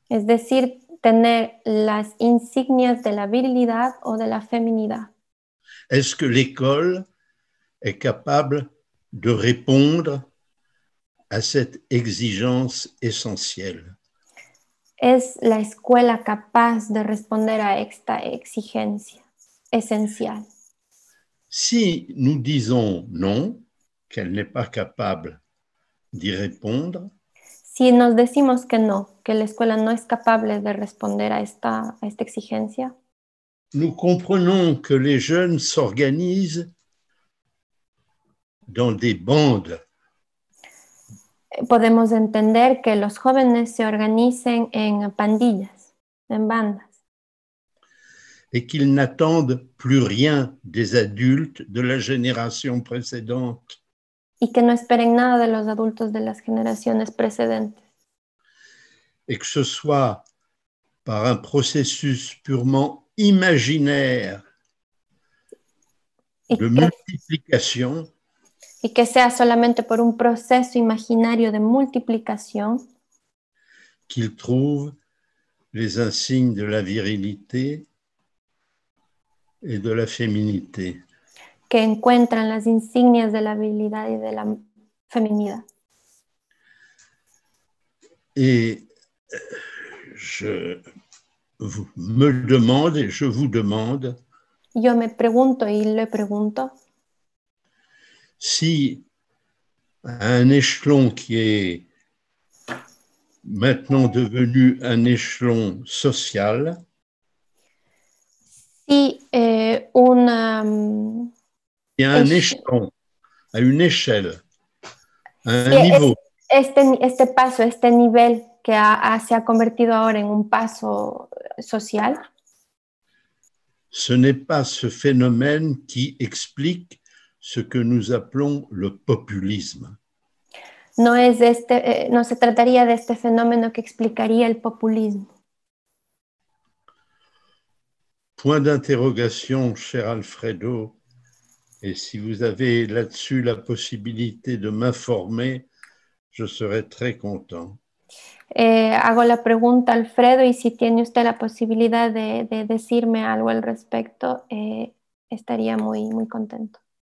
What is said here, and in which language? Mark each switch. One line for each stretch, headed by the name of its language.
Spanish: Es decir, tener las insignias de la virilidad o de la feminidad.
French: Est-ce que l'école est capable de répondre à cette exigence essentielle?
Spanish: Es la escuela capaz de responder a esta exigencia esencial.
French: Si nous disons non, qu'elle n'est pas capable d'y répondre.
Spanish: Si nos decimos que no, que la escuela no es capable de responder a esta exigencia.
French: Nous comprenons que les jeunes s'organisent dans des bandes.
Spanish: Podemos entender que los jóvenes se organicen en pandillas, en bandas.
French: Et qu'ils n'attendent plus rien des adultes de la génération précédente.
Spanish: Y que no esperen nada de los adultos de las generaciones precedentes.
French: Et que ce soit par un processus purement imaginaire de multiplication.
Spanish: Y que sea solamente por un proceso imaginario de multiplicación.
French: Qu'ils trouvent les insignes de la virilité et de la féminité.
Spanish: Que encuentran las insignias de la habilidad y de la feminidad.
French: Et je me demande et je vous demande.
Spanish: Yo me pregunto y le pregunto.
French: Si un échelon qui est maintenant devenu un échelon social. Il y a un échelon, à une échelle, à un niveau.
Spanish: Este paso, este nivel que se ha convertido ahora en un paso social.
French: Ce n'est pas ce phénomène qui explique ce que nous appelons le populisme.
Spanish: No se trataría de este fenómeno que explicaría el populismo.
French: Point d'interrogation, cher Alfredo, et si vous avez là-dessus la possibilité de m'informer, je serai très content.
Spanish: Hago la pregunta, Alfredo, y si tiene usted la posibilidad de decirme algo al respecto, estaría muy, muy contento.